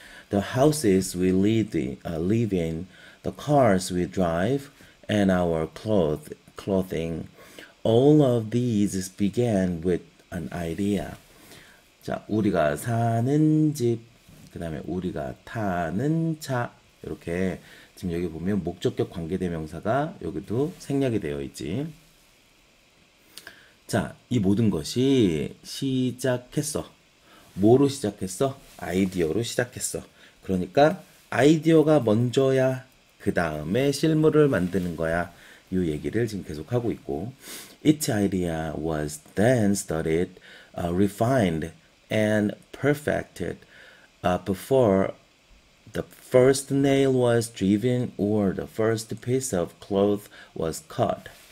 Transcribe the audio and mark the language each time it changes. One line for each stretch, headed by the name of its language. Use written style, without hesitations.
English: The houses we live in, the cars we drive, and our clothing, all of these began with an idea.
Korean: 자, 우리가 사는 집, 그 다음에 우리가 타는 차, 이렇게 지금 여기 보면 목적격 관계대명사가 여기도 생략이 되어 있지. 자, 이 모든 것이 시작했어. 뭐로 시작했어? 아이디어로 시작했어. 그러니까 아이디어가 먼저야 그 다음에 실물을 만드는 거야. 이 얘기를 지금 계속하고 있고
English: Its idea was then studied, refined, and perfected before the first nail was driven or the first piece of cloth was cut.